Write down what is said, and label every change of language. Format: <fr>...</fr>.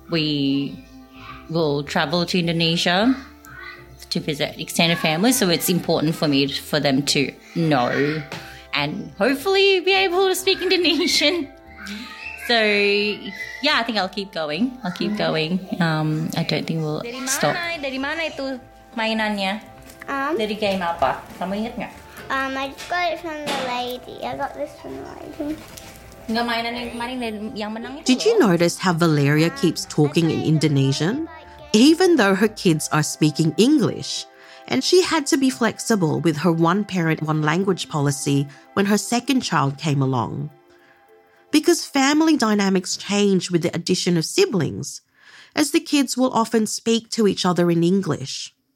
<en>We will travel to Indonesia to visit extended family, so it's important for me for them to know and hopefully be able to speak Indonesian. So, yeah, I think I'll keep going. I'll keep going. I don't think we'll stop.</en> <id>Dari mana itu mainannya? Dari game apa? Kamu ingat nggak?</id> <en>I got it from the lady. I got this from the lady.</en> <id>Nggak mainan yang kemarin yang menang itu?</id> <en>Did you notice how Valeria keeps talking in Indonesian? Even though her kids are speaking English. And she had to be flexible with her one parent, one language policy when her second child came along. Because family dynamics change with the addition of siblings, as the kids will often speak to each other in English.</en>